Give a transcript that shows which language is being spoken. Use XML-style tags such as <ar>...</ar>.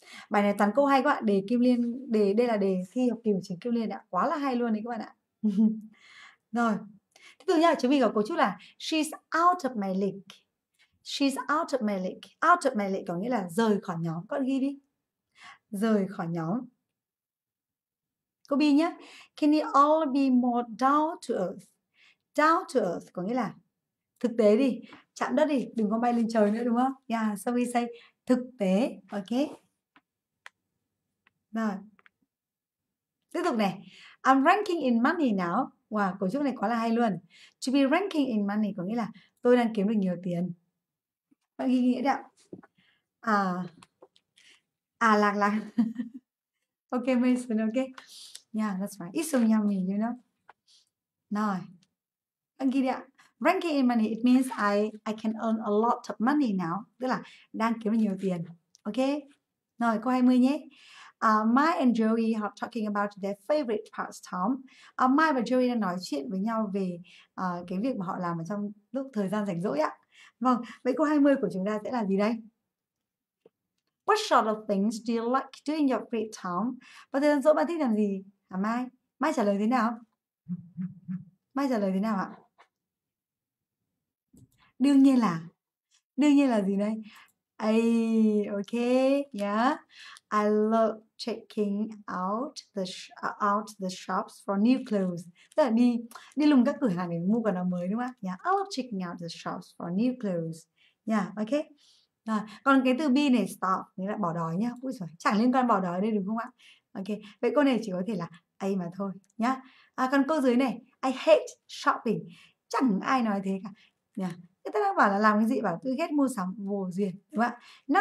<vi>Bài này toàn câu hay các bạn, đề Kim Liên, đề đây là đề thi học kỳ của trường Kim Liên ạ, quá là hay luôn đấy các bạn ạ. Rồi, thế từ nha, chúng mình có cấu trúc là</vi> <en>she's out of my league. She's out of my league. Out of my league</en> <vi>có nghĩa là rời khỏi nhóm. Con ghi đi. Rời khỏi nhóm. Cô B nhé.</vi> <en>Can you all be more down to earth? Down to earth</en> <vi>có nghĩa là thực tế đi, chạm đất đi, đừng có bay lên trời nữa đúng không?</vi> <en>Yeah, so we say</en> <vi>thực tế. Ok. Rồi. Tiếp tục này.</vi> <en>I'm ranking in money now.</en> <vi>Wow, cấu trúc này quá là hay luôn.</vi> <en>To be ranking in money</en> <vi>có nghĩa là tôi đang kiếm được nhiều tiền. Bạn ghi nghĩa đấy ạ. Lạc lạc. Ok, Mason, ok.</vi> <en>Yeah, that's right. It's so yummy, you know.</en> <vi>Rồi. Bạn ghi đấy ạ.</vi> <en>Ranking in money, it means I can earn a lot of money now.</en> <vi>Tức là đang kiếm được nhiều tiền. Ok. Rồi, câu 20 nhé.</vi> <en>Mai and Joey are talking about their favorite pastime.</en> <vi>Mai và Joey đang nói chuyện với nhau về cái việc mà họ làm ở trong lúc thời gian rảnh rỗi ạ. Vâng, vậy câu 20 của chúng ta sẽ là gì đây?</vi> <en>What sort of things do you like doing your free time?</en> <vi>Và thời gian rỗi bạn thích làm gì? À Mai, Mai trả lời thế nào? Mai trả lời thế nào ạ? Đương nhiên là gì đây? Ok, yeah.</vi> <en>I love checking out the shops for new clothes.</en> <vi>Tức là đi đi lùng các cửa hàng để mua quần áo mới đúng không ạ?</vi> <en>Yeah, I love checking out the shops for new clothes. Yeah, ok.</en> <vi>Rồi, còn cái từ be này stop nghĩa là bỏ đói nhá. Ui giời, chẳng liên quan bỏ đói đây đúng không ạ? Ok. Vậy câu này chỉ có thể là a mà thôi nhá. À, còn câu dưới này,</vi> <en>I hate shopping.</en> <vi>Chẳng ai nói thế cả. Yeah. Người ta đang bảo là làm cái gì, bảo tôi ghét mua sắm vô duyên đúng không ạ?</vi>